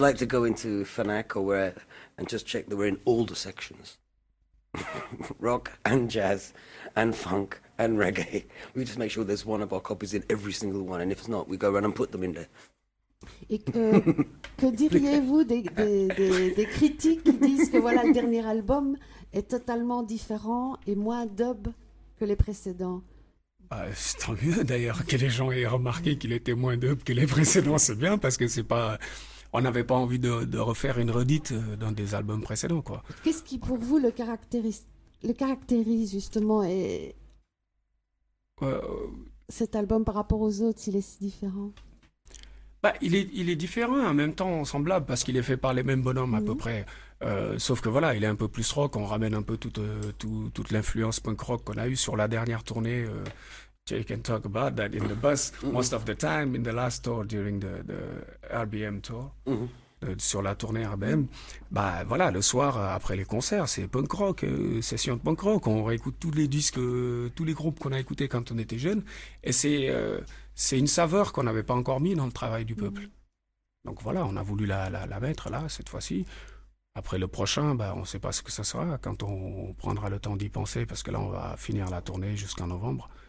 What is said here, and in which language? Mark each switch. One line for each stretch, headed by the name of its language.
English: like to go into Fnac or where and just check that we're in all the sections. Rock and jazz and funk and reggae. We just make sure there's one of our copies in every single one, and if it's not, we go around and put them in
French: Et
English: there.
French: que diriez-vous des critiques qui disent que voilà, le dernier album est totalement différent et moins dub que les précédents? C'est tant mieux d'ailleurs que les gens aient remarqué qu'il était moins dope que les précédents, c'est bien parce que c'est pas. On n'avait pas envie de refaire une redite dans des albums précédents, quoi. Qu'est-ce qui pour vous le caractérise justement et cet album par rapport aux autres, s'il est si différent? Bah, il est différent et en même temps semblable parce qu'il est fait par les mêmes bonhommes à peu près. Sauf que voilà, il est un peu plus rock. On ramène un peu toute l'influence punk rock qu'on a eue sur la dernière tournée.
English: Jake can talk about that in the bus, most of the time, in the last tour, during the RBM tour,
French: sur la tournée RBM. Bah voilà, le soir après les concerts, c'est punk rock, session de punk rock. On réécoute tous les disques, tous les groupes qu'on a écoutés quand on était jeune. Et c'est une saveur qu'on n'avait pas encore mis dans le travail du peuple. Donc voilà, on a voulu la mettre là, cette fois-ci. Après le prochain, bah, on ne sait pas ce que ça sera quand on prendra le temps d'y penser, parce que là, on va finir la tournée jusqu'en novembre.